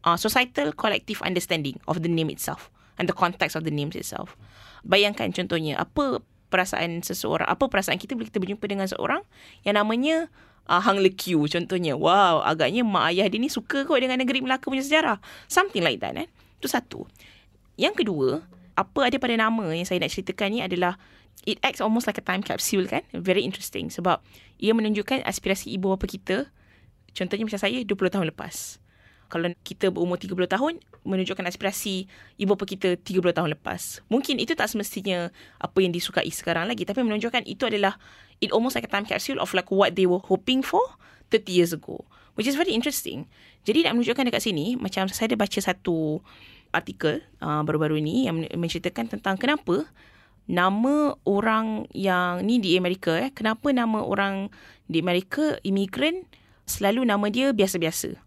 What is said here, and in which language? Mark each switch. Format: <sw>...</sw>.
<en>Societal collective understanding of the name itself and the context of the name itself.</en> <ms>Bayangkan contohnya, apa perasaan seseorang, apa perasaan kita bila kita berjumpa dengan seorang yang namanya Hang Le Kiu contohnya. Wow, agaknya mak ayah dia ni suka kot dengan negeri Melaka punya sejarah.</ms> <en>Something like that.</en> <ms>Itu satu. Yang kedua, apa ada pada nama yang saya nak ceritakan ni adalah</ms> <en>it acts almost like a time capsule</en> <ms>kan.</ms> <en>Very interesting.</en> <ms>Sebab ia menunjukkan aspirasi ibu bapa kita. Contohnya macam saya 20 tahun lepas. Kalau kita berumur 30 tahun, menunjukkan aspirasi ibu bapa kita 30 tahun lepas. Mungkin itu tak semestinya apa yang disukai sekarang lagi. Tapi menunjukkan itu adalah,</ms> <en>it almost like a time capsule of like what they were hoping for 30 years ago. Which is very interesting.</en> <ms>Jadi nak menunjukkan dekat sini, macam saya ada baca satu artikel baru-baru ni yang menceritakan tentang kenapa nama orang yang ni di Amerika. Kenapa nama orang di Amerika, immigrant, selalu nama dia biasa-biasa.</ms>